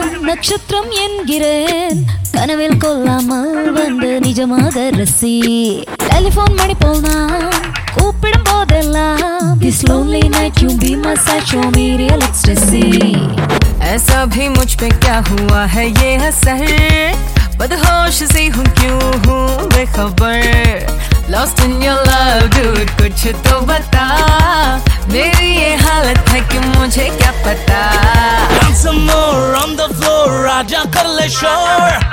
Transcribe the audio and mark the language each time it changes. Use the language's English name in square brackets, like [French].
[Tamil] நட்சத்திரம் என்கிறேன் கனவில் கொல்லாமல் வந்து நிஜமாக ரசி. டெலிபோன் மணி போல் நான் கூப்பிடும் போதெல்லாம் [English] This lonely night you be my sunshine, show me real ecstasy. [Hindi] ऐसा भी मुझ पे क्या हुआ है ये असर. बदहोश सी हूँ क्यों हूँ बेखबर. [English] Lost in your love dude [Hindi] कुछ तो बता. मेरी ये हालत है कि मुझे क्या पता. [English] Some more on the floor, Raja Kaleshwar.